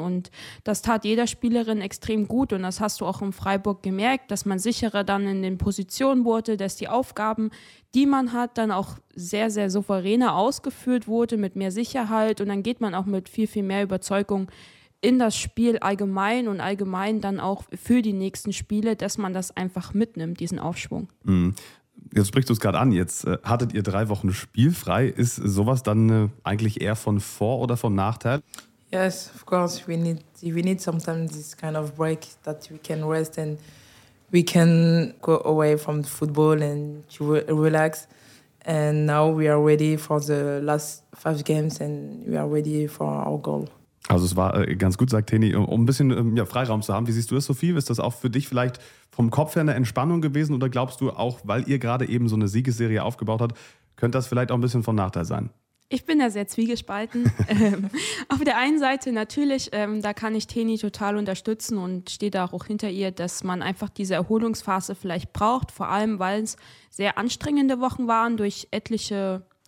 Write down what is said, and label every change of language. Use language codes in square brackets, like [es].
[de] Und das tat jeder Spielerin extrem gut und das hast du auch in Freiburg gemerkt, dass man sicherer dann in den Positionen wurde, dass die Aufgaben, die man hat, dann auch sehr, sehr souveräner ausgeführt wurde mit mehr Sicherheit und dann geht man auch mit viel, viel mehr Überzeugung in das Spiel allgemein und allgemein dann auch für die nächsten Spiele, dass man das einfach mitnimmt, diesen Aufschwung. Jetzt sprichst du es gerade an, jetzt hattet ihr 3 Wochen spielfrei. Ist sowas dann eigentlich eher von Vor- oder von Nachteil? [en] Yes, of course, we need sometimes this kind of break that we can rest and we can go away from the football and to relax. And now we are ready for the last 5 games and we are ready for our goal. [de] Also es war ganz gut, sagt Teni, um ein bisschen Freiraum zu haben. Wie siehst du das, Sophie? Ist das auch für dich vielleicht vom Kopf her eine Entspannung gewesen? Oder glaubst du auch, weil ihr gerade eben so eine Siegesserie aufgebaut habt, könnte das vielleicht auch ein bisschen von Nachteil sein? Ich bin da sehr zwiegespalten. Auf der einen Seite natürlich, da kann ich Teni total unterstützen und stehe da auch hinter ihr, dass man einfach diese Erholungsphase vielleicht braucht. Vor allem, weil es sehr anstrengende Wochen waren durch etliche